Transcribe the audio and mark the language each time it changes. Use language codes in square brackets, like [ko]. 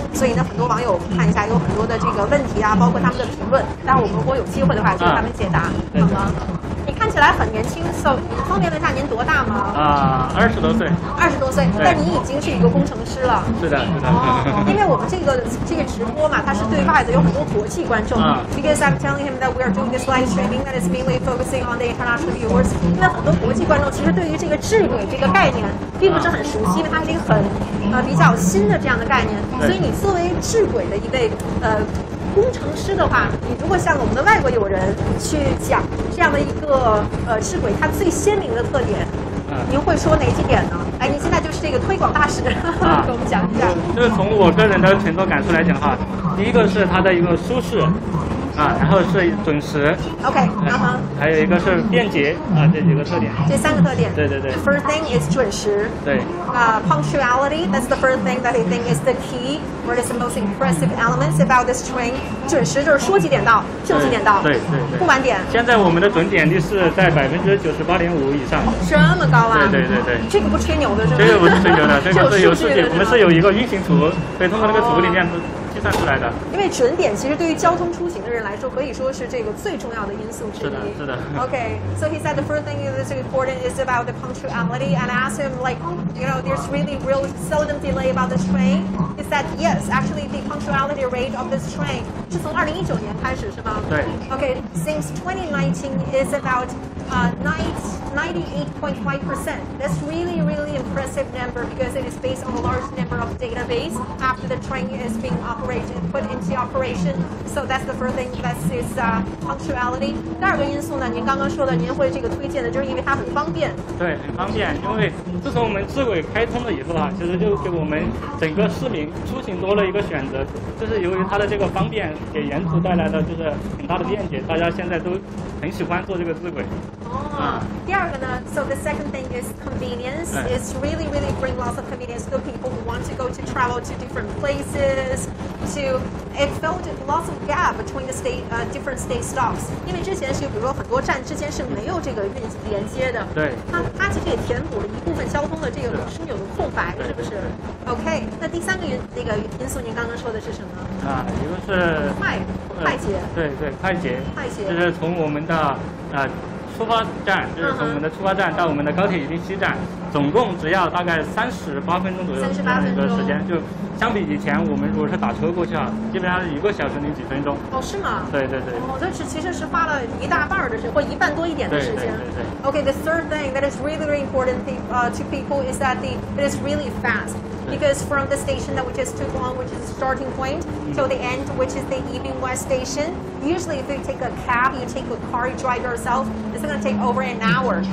[zh] 所以呢，很多网友看一下，有很多的这个问题啊，包括他们的评论。那我们如果有机会的话，就给他们解答。好吗？你看起来很年轻，所以方便问一下您多大吗？ 20多岁。 20多岁，但你已经是一个工程师了。是的，哦，因为我们这个直播嘛，它是对外的，有很多国际观众。 [en] Because I'm telling him that we are doing this live streaming that is mainly focusing on the international viewers. [zh] 因为很多国际观众其实对于这个智慧这个概念并不是很熟悉，因为它是一个很比较新的这样的概念。所以你作为智慧的一位工程师的话，你如果像我们的外国友人去讲这样的一个智慧，它最鲜明的特点，您会说哪几点呢？哎，您现在就是这个推广大使，跟我们讲一下。就是从我个人的乘坐感受来讲哈，第一个是它的一个舒适。然后是准时，OK，还有一个是便捷啊，这几个特点。这三个特点。对对对。 [en] The first thing is 准时。 [zh] 对。 [en] Punctuality. That's the first thing that I think is the key or is the most impressive elements about this train. [zh] 准时就是说几点到就几点到。对 对。不晚点。现在我们的准点率是在98.5%以上。这么高啊？对对对对。这个不吹牛的是吧？这个不是吹牛的，这个是有数据，我们是有一个运行图，可以通过那个图里面。算出来的，因为准点其实对于交通出行的人来说，可以说是这个最重要的因素之一。是的，是的。 [en] Okay, so he said the first thing that's important is about the punctuality, and I asked him like, you know, there's really real seldom delay about this train. He said yes, actually the punctuality rate of this train [zh] 是从2019年开始是吗？对。 [en] Okay, since 2019 is about 98.5%. That's really, really impressive number because it is based on a large number of database after the train is being operated, put into operation. So that's the first thing, that is punctuality. [zh] 第二个因素呢，您刚刚说的，您会这个推荐的，就是因为它很方便。对，很方便，因为自从我们智轨开通了以后啊，其实就给我们整个市民出行多了一个选择。就是由于它的这个方便，给沿途带来的就是很大的便捷，大家现在都很喜欢坐这个智轨。第二个呢 [en] so the second thing is convenience. It's really, really bring lots of convenience to people who want to go to travel to different places. To it filled lots of gap between the state, different state stops. [zh] 因为之前是比如说很多站之间是没有这个运行连接的。对。它其实也填补了一部分交通的这个枢纽的空白，是不是 ？OK. 那第三个因素，您刚刚说的是什么？一个是快捷。对对，快捷。快捷。就是从我们的出发站，就是从我们的出发站到我们的高铁云西站，总共只要大概38分钟左右这样一个时间。就相比以前，我们如果是打车过去啊，基本上是1个小时零几分钟。哦，是吗？对对对。哦，那其实花了一大半的时间，或一半多一点的时间。对对对。 [en] Okay, the third thing that is really, really important to people is that it is really fast. Because from the station that we just took on, which is the starting point, till the end, which is the Yibin West Station. usually if you take a cab, you take a car, you drive yourself, it's going to take over an hour.